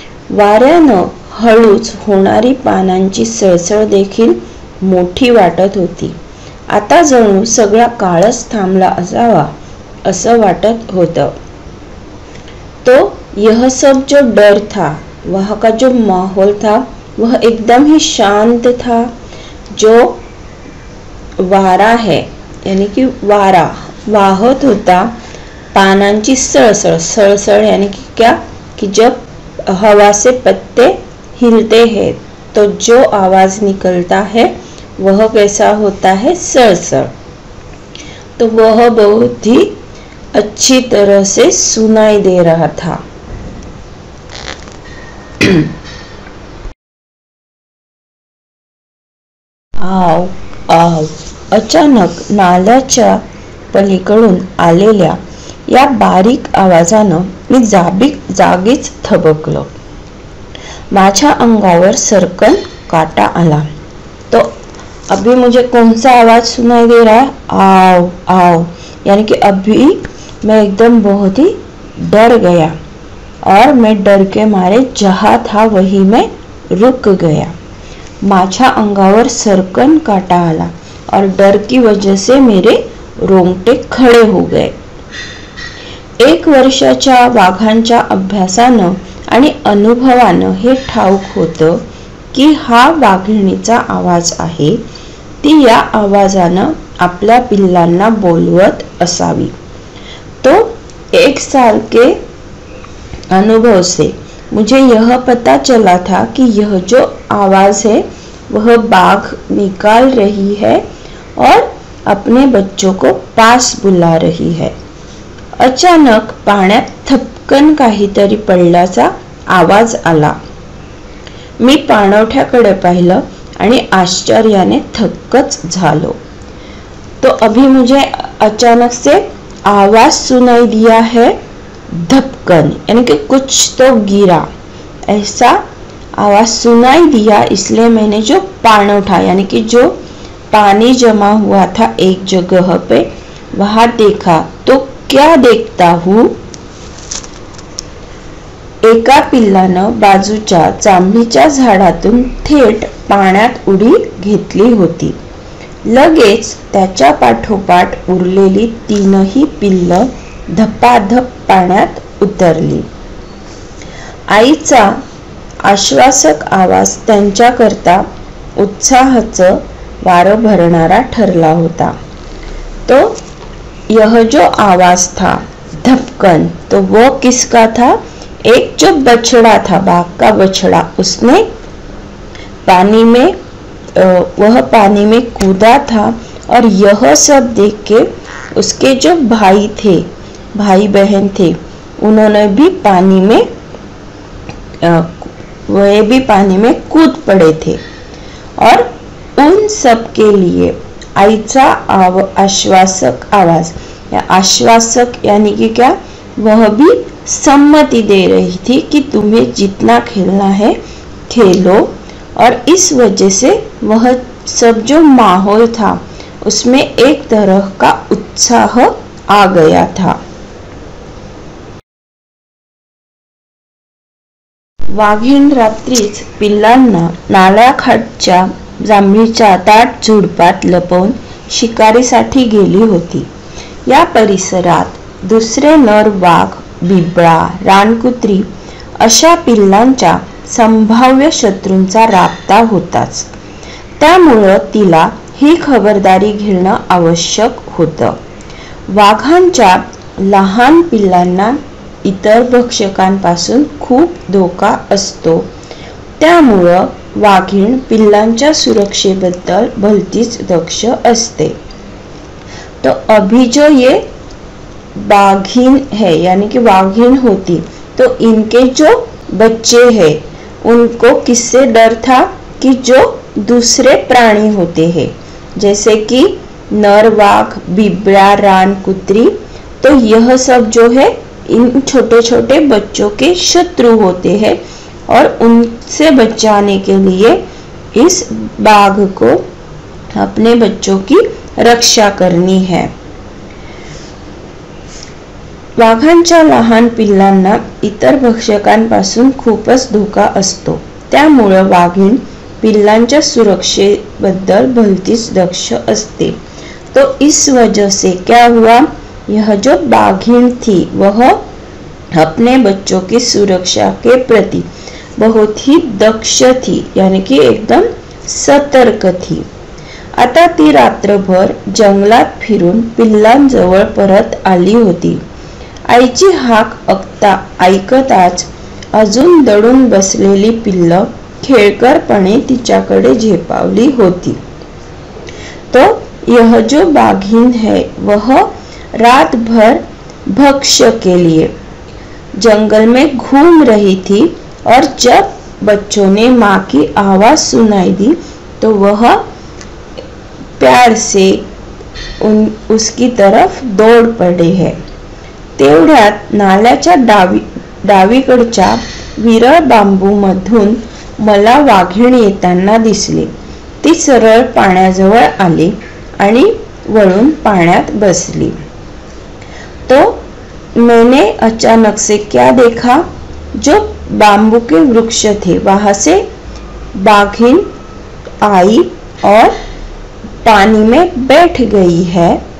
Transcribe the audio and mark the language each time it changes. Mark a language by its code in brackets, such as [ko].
[mr] वाऱ्यानं हळूच होणारी पानांची सळसळ देखील मोठी वाटत होती. आता जणू सगळा काळच थांबला असावा असं वाटत होतं. [hi] तो यह सब जो डर था, वहाँ का जो माहौल था वह एकदम ही शांत था। जो वारा है यानी कि [mr] वारा वाहत होता, पानांची सळसळ, सळसळ [hi] यानी कि क्या, कि जब हवा से पत्ते हिलते हैं तो जो आवाज निकलता है वह कैसा होता है, सळसळ। तो वह बहुत ही अच्छी तरह से सुनाई दे रहा था। [mr] आओ आओ, अचानक नाल्याच्या पलीकडून आलेल्या या बारीक आवाजानं मी जागीच थबकलो। माझ्या अंगावर सरकन काटा आला। [hi] तो अभी मुझे कौन सा आवाज सुनाई दे रहा है, आओ आओ, यानी कि अभी मैं एकदम बहुत ही डर गया और मैं डर के मारे जहाँ था वही मैं रुक गया। [mr] माझ्या अंगावर सरकन काटा आला [hi] और डर की वजह से मेरे रोंगटे खड़े हो गए। [mr] एक वर्षाच्या वाघांच्या अभ्यासानं आणि अनुभवानं हे ठाऊक होतं की हा वाघिणीचा आवाज आहे, ती या आवाजानं आपल्या पिल्लांना बोलवत असावी। [hi] तो एक साल के अनुभव से मुझे यह पता चला था कि यह जो आवाज है वह बाघ निकाल रही है और अपने बच्चों को पास बुला रही है। [mr] अचानक पाण्यात थपकन काहीतरी पडल्याचा आवाज आला। मी पाणवठ्याकडे पाहिलं आणि आश्चर्याने थक्कच झालो। [hi] तो अभी मुझे अचानक से आवाज सुनाई दिया है धपकन, यानी कि कुछ तो गिरा, ऐसा आवाज सुनाई दिया। इसलिए मैंने जो पाणवठा यानी कि जो पानी जमा हुआ था एक जगह पे, वहां देखा तो क्या देखता हूँ, [mr] एका पिल्लानं बाजूच्या चांभीच्या झाडातून थेट पाण्यात उडी घेतली होती। लगेच त्याच्या पाठोपाठ उरलेली तीनही पिल्ल धपाधप पाण्यात उतरली। आईचा आश्वासक आवाज त्यांच्या करता उत्साहाचं वारं भरणारा ठरला होता। [hi] तो यह जो आवाज था धपकन, तो वो किसका था, एक जो बछड़ा था, बाघ का बछड़ा, उसने पानी में वह पानी में कूदा था और यह सब देख के उसके जो भाई थे, भाई बहन थे, उन्होंने भी पानी में वे भी पानी में कूद पड़े थे। और उन सब के लिए [mr] आईचा आश्वासक आवाज, [hi] या आश्वासक यानी कि क्या, वह भी सम्मति दे रही थी कि तुम्हें जितना खेलना है खेलो। और इस वजह से वह सब जो माहौल था उसमें एक तरह का उत्साह आ गया था। [mr] वाघीण रात्रीच पिल्लांना नाल्याखाडच्या जांभळीच्या ताट झुडपात लपवून शिकारीसाठी गेली होती। या परिसरात दुसरे नर वाघ, बिबळा, रानकुत्री अशा पिल्लांच्या संभाव्य शत्रूंचा राबता होताच, त्यामुळं तिला ही खबरदारी घेणं आवश्यक होतं। वाघांच्या लहान पिल्लांना इतर भक्षकांपासून खूप धोका असतो, त्यामुळं वाघीण पिल्लांच्या सुरक्षेबद्दल भलतीच दक्ष असते। [hi] तो अभी जो ये बाघीन है यानी कि [mr] वाघीन होती, [hi] तो इनके जो बच्चे है उनको किससे डर था, कि जो दूसरे प्राणी होते हैं जैसे कि नर वाघ, बिबरा, रान कुत्री, तो यह सब जो है इन छोटे छोटे बच्चों के शत्रु होते हैं और उनसे बचाने के लिए इस बाघ को अपने बच्चों की रक्षा करनी है। [mr] वाघांच्या लहान पिल्लांना इतर भक्षकांपासून खूपच धोका असतो, त्यामुळे वाघीण पिल्लांच्या सुरक्षेबद्दल भलतीच दक्ष असते। [hi] तो इस वजह से क्या हुआ, यह जो बाघीण थी वह अपने बच्चों की सुरक्षा के प्रति बहुत ही दक्ष थी, यानी कि एकदम सतर्क थी। [mr] आता ती रात्रभर जंगलात फिरून पिल्लांजवळ परत आली होती। आईची हाक अकता ऐकताच अजून दडून बसलेली पिल्ल खेळकरपणे तिच्याकडे झेपावली होती। [hi] तो यह जो बाघिन है वह रात भर भक्ष्य के लिए जंगल में घूम रही थी, और जब बच्चों ने माँ की आवाज सुनाई दी तो वह प्यार से उसकी तरफ दौड़ पड़े है। [mr] तेवढ्यात नाल्याच्या डावीकडच्या विरळ बांबू मधून मला वाघीण येताना दिसले। ती सरळ पाण्याजवळ आली आणि वळून पाण्यात बसली। [hi] तो मैंने अचानक से क्या देखा, जो बांबू के वृक्ष थे वहां से बाघिन आई और पानी में बैठ गई है।